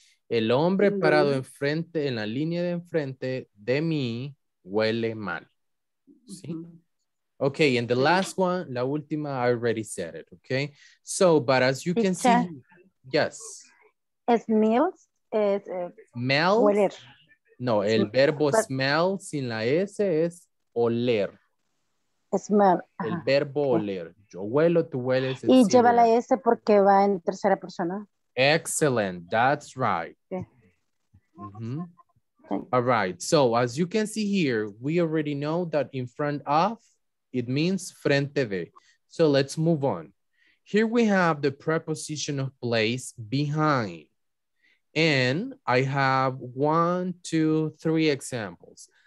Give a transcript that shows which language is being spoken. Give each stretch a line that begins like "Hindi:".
Spanish: El hombre parado enfrente, en la línea de enfrente de mí, huele mal. ¿Sí? Mm-hmm.
English: Okay, and the last one,
Spanish: la última,
English: I already said it, okay? So, but as you can see, yes.
Spanish: Es meals. Smell. No, el verbo smell sin la S es oler.
English: Smell.
Spanish: El verbo oler. Yo huelo, tú hueles. Y lleva la S porque va en tercera persona.
English: Excellent. That's right. Okay. Mm-hmm. Okay. All right. So as you can see here, we already know that in front of, it means
Spanish: frente de.
English: So let's move on. Here we have the preposition of place behind. And I have 1, 2, 3 examples.